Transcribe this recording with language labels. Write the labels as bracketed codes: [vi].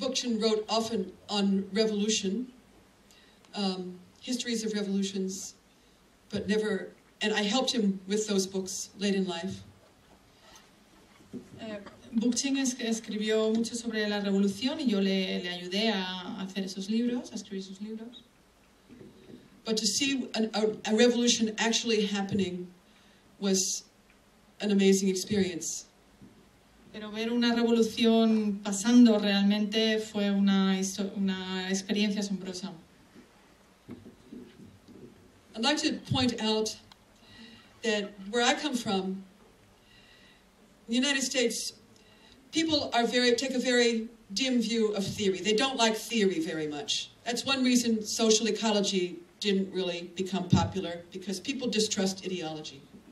[en] Bookchin wrote often on revolution, histories of revolutions, but never, and I helped him with those books late in life. [es] Bookchin escribió mucho sobre la revolución y yo le ayudé a hacer esos libros, a escribir esos libros. [en] But to see a revolution actually happening was an amazing experience. [es] Pero ver una revolución pasando realmente fue una experiencia asombrosa. [en] I'd like to point out that where I come from, in the United States, people are take a very dim view of theory. They don't like theory very much. That's one reason social ecology didn't really become popular, because people distrust ideology.